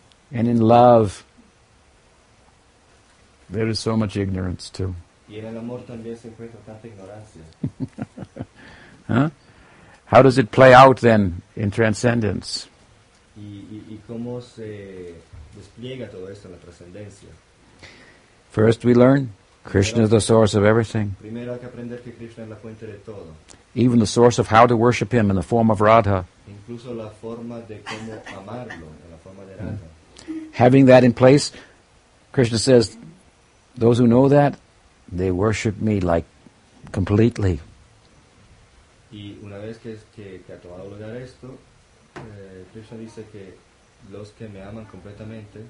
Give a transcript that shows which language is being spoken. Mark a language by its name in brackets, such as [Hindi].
[English] And in love, there is so much ignorance too. [Spanish] Y en el amor también se encuentra tanta ignorancia. Huh? [English] How does it play out then in transcendence? [Spanish] Y cómo se despliega todo esto en la trascendencia. [English] First we learn Krishna is the source of everything. [Spanish] Primero hay que aprender que Krishna es la fuente de todo. [English] Even the source of how to worship him in the form of Radha. [Spanish] Incluso la forma de cómo amarlo en la forma de Radha. [English] Having that in place, Krishna says, those who know that, they worship me like completely. [Spanish] Y una vez que ha tomado lugar esto, Krishna dice que los que me aman completamente.